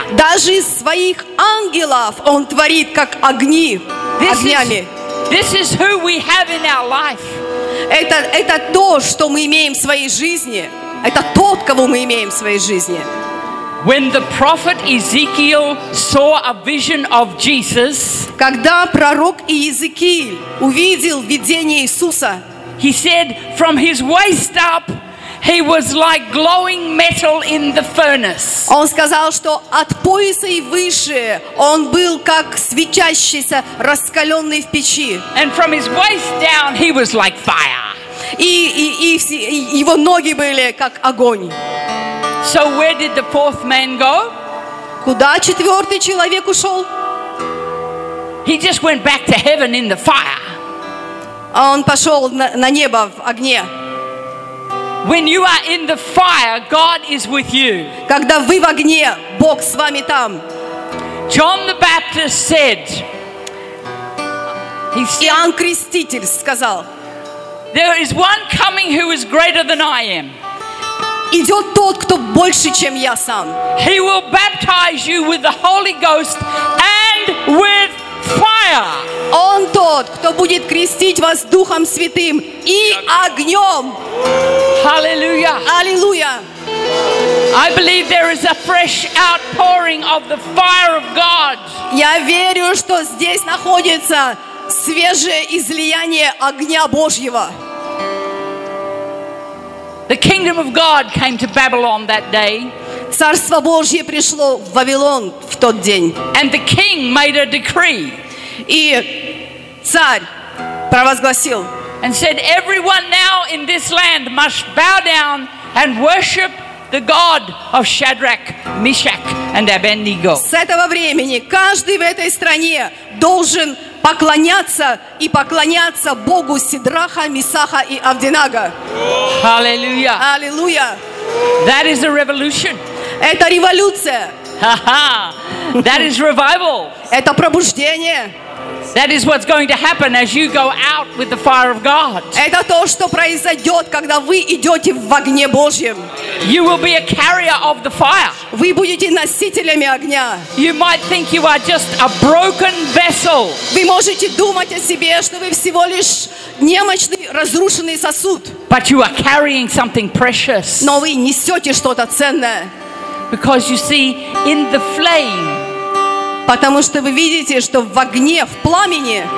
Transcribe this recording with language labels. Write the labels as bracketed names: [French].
[Russian] Даже своих ангелов он творит как огни, огнями. [English] This is who we have in our life. [Russian] Это то, что мы имеем в своей жизни. Это тот, кого мы имеем в своей жизни. [English] When the prophet Ezekiel saw a vision of Jesus, [Russian] когда пророк Иезекииль увидел видение Иисуса, [English] he said, from his waist up, he was like glowing metal in the furnace. [Russian] Он сказал, что от пояса и выше он был как светящийся раскаленный в печи. [English] And from his waist down, he was like fire. [Russian] И его ноги были как огонь. [English] So where did the fourth man go? [Russian] Куда четвертый человек ушел? [English] He just went back to heaven in the fire. [Russian] Он пошел на небо в огне. [English] When you are in the fire, God is with you. [Russian] Когда вы в огне, Бог с вами там. [English] John the Baptist said. [Russian] Иоанн Креститель сказал. [English] There is one coming who is greater than I am. [Russian] Идет тот, кто больше, чем я сам. [English] He will baptize you with the Holy Ghost and with fire. [Russian] Он тот, кто будет крестить вас Духом Святым и огнем. [English] Hallelujah. Hallelujah. I believe there is a fresh outpouring of the fire of God. [Russian] Я верю, что здесь находится свежее излияние огня Божьего. [English] The kingdom of God came to Babylon that day. [Russian] Царство Божье пришло в Вавилон в тот день. [English] And the king made a decree. [Russian] И царь провозгласил. [English] And said, everyone now in this land must bow down and worship the God of Shadrach, Meshach, and Abednego. [Russian] С этого времени каждый в этой стране должен поклоняться и поклоняться Богу Сидраха, Месаха и Авденаго. Аллилуйя. Аллилуйя. [English] That is a revolution. [Russian] Это революция. [English] Ha-ha. That is revival. [Russian] Это пробуждение. [English] That is what's going to happen as you go out with the fire of God. [Russian] Это то, что произойдет, когда вы идете в огне Божьем. [English] You will be a carrier of the fire. [Russian] Вы будете носителями огня. [English] You might think you are just a broken vessel. [Russian] Вы можете думать о себе, что вы всего лишь немощный, разрушенный сосуд. [English] But you are carrying something precious. [Russian] Но вы несете что-то ценное. [English] Because you see, in the flame. [Russian] Потому что вы видите, что в огне, в пламени,